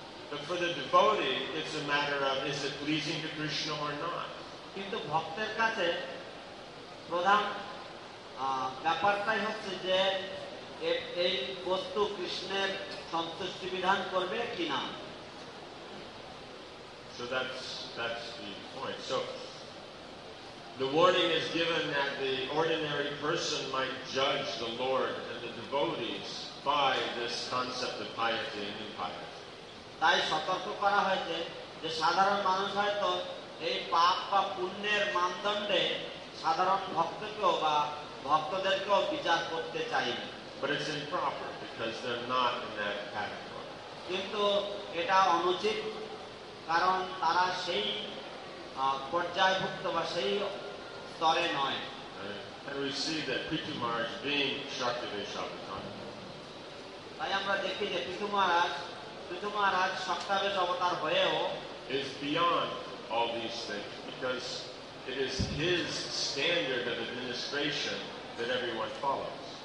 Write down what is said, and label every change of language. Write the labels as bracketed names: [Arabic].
[English] But for the devotee, it's a matter of is it pleasing to Krishna or not. [Bangla] কিন্তু ভক্তের কাছে প্রধান ব্যাপারটাই হচ্ছে যে এই বস্তু কৃষ্ণের সন্তুষ্টি বিধান করবে কি না. [English] So that's the point. So the warning is given that the ordinary person might judge the Lord and the devotees by this concept of piety and impiety. [Bangla] তাই সতর্ক করা হয়েছে যে সাধারণ মানুষ হয়তো এই পাপ বা পুণ্যের মানদণ্ডে সাধারণ ভক্তকেও বা ভক্তদেরকেও বিচার করতে চাইবে [English] But it's improper because they're not in that category. [Bangla] কিন্তু এটা অনুচিত কারণ তারা সেই পর্যায়ভুক্ত বা সেই স্তরে নয়। [English] And we see that Pitu Maharaj being Shaktive Shabatan. [Bangla] তাই আমরা দেখি যে পিতু মহারাজ শক্তাবেশ অবতার হয়েও [English] is beyond all these things because it is his standard of administration that everyone follows.